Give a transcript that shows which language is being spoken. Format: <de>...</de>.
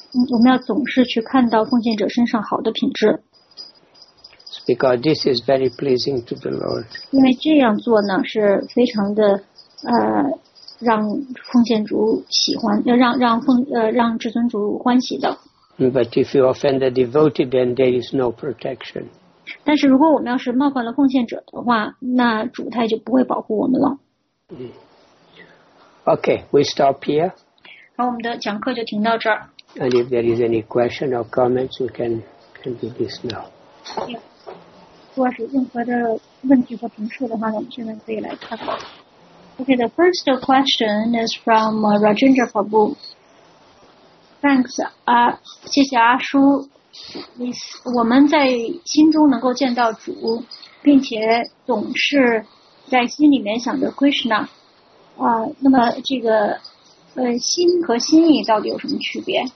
<zh>我们要总是去看到奉献者身上好的品质。</zh> <en>It's because this is very pleasing to the Lord.</en> <zh>因为这样做呢是非常的让奉献主喜欢，让至尊主欢喜的。</zh> <en>But if you offend the devotee, then there is no protection.</en> <zh>但是如果我们要是冒犯了奉献者的话，那主他就不会保护我们了。</zh> <en>Okay, we stop here.</en> <zh>然后我们的讲课就停到这儿。</zh> <en>And if there is any question or comments, we can do this now.</en> <zh>如果是任何的问题和评述的话，我们现在可以来探讨。</zh> <en>Okay, the first question is from Rajendra Prabhu. Thanks,</en> <zh>谢谢阿叔。我们在心中能够见到主，并且总是在心里面想着 Krishna 那么这个心和心意到底有什么区别？</zh>